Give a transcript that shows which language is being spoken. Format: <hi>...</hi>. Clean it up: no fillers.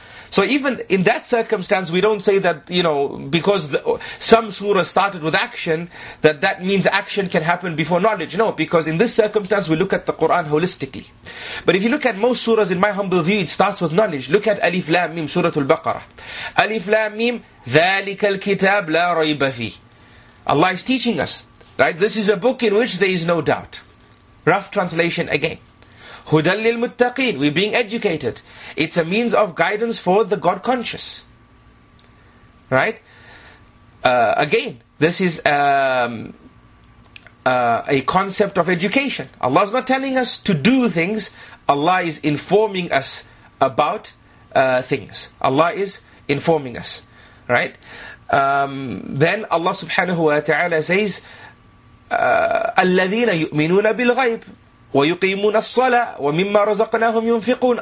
<en>So even in that circumstance, we don't say that, you know, because some surah started with action, that means action can happen before knowledge. No, because in this circumstance, we look at the Quran holistically. But if you look at most surahs, in my humble view, it starts with knowledge. Look at Alif Lam Mim, Surah Al-Baqarah.</en> <ar>Alif Lam Mim, ذَلِكَ الْكِتَابْ لَا رَيْبَ فِيهِ.</ar> <en>Allah is teaching us. Right, this is a book in which there is no doubt. Rough translation again.</en> <ar>هُدَى لِلْمُتَّقِينَ.</ar> <en>We're being educated. It's a means of guidance for the God conscious. Right? Again, this is a concept of education. Allah's not telling us to do things. Allah is informing us about things. Allah is informing us. Right? Then Allah subhanahu wa ta'ala says,</en> <ar>الَّذِينَ يُؤْمِنُونَ بِالْغَيْبِ وَيُقِيمُونَ الصَّلَىٰ وَمِمَّا رَزَقْنَاهُمْ يُنْفِقُونَ.</ar>